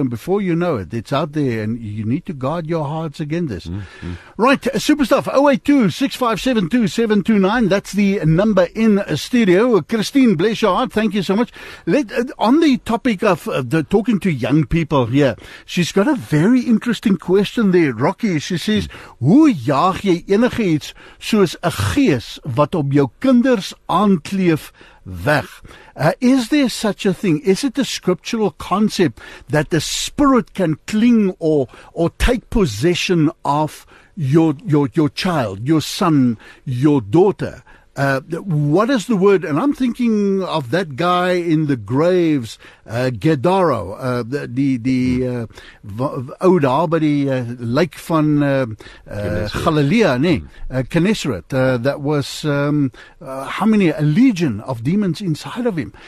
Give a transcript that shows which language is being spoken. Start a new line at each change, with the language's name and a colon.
English: And before you know it, it's out there and you need to guard your hearts against this. Mm-hmm. Right. Super stuff. 082-657-2729. That's the number in a studio. Christine, bless your heart. Thank you so much. On the topic of the talking to young people here, she's got a very interesting question there, Rocky. She says,
Afrikaans: Hoe jaag jy enige iets soos 'n gees wat op jou kinders aankleef weg?
English: Is there such a thing? Is it a scriptural concept that the spirit can cling or take possession of your child, your son, your daughter? What is the word? And I'm thinking of that guy in the graves, Gedaro, the Odabari Lake van Galilea, Knesset, that was a legion of demons inside of him.